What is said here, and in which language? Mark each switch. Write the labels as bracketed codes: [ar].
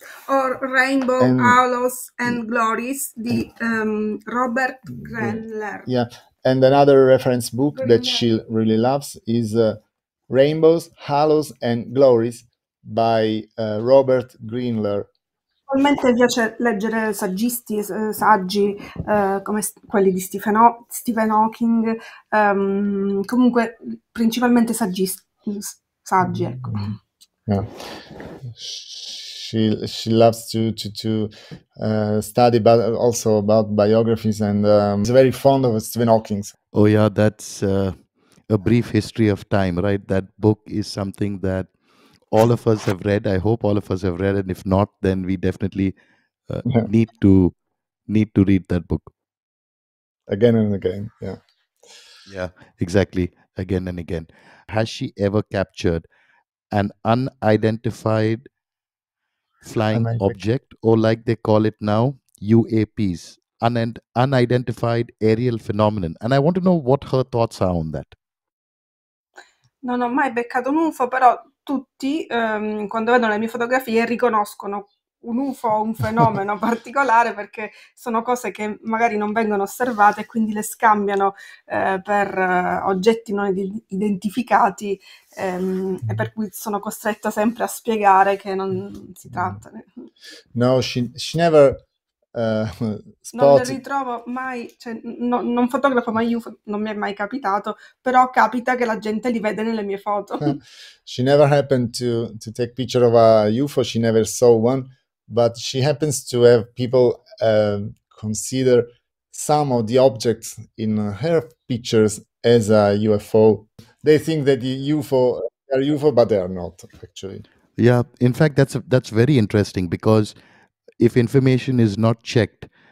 [en] Or Rainbow Halos and Glories di Robert Grenler. Yeah, and another reference book that she really loves is Rainbows, Halos and Glories by Robert Grenler. [it] Normalmente piace leggere saggisti, saggi come quelli di Stephen Hawking, comunque principalmente saggi, ecco. [en] Yeah. She loves to study, but also about biographies, and is very fond of Stephen Hawking. Oh yeah, that's A Brief History of Time, right? That book is something that all of us have read. I hope all of us have read, and if not, then we definitely need to read that book again and again. Yeah, exactly, again and again. Has she ever captured an unidentified flying object, or like they call it now, UAPs, unidentified aerial phenomenon? And I want to know what her thoughts are on that. [it] Non ho mai beccato un UFO, però tutti quando vedono le mie fotografie riconoscono un UFO, un fenomeno particolare, perché sono cose che magari non vengono osservate e quindi le scambiano per oggetti non identificati, e per cui sono costretta sempre a spiegare che non si tratta. [en] No, she never spot. [it] Non le ritrovo mai, cioè, no, non fotografo mai UFO, non mi è mai capitato, però capita che la gente li vede nelle mie foto. [en] She never happened to take picture of a UFO, she never saw one. But she happens to have people consider some of the objects in her pictures as a UFO. They think that the UFO are UFO, but they are not, actually. Yeah, in fact, that's very interesting, because if information is not checked,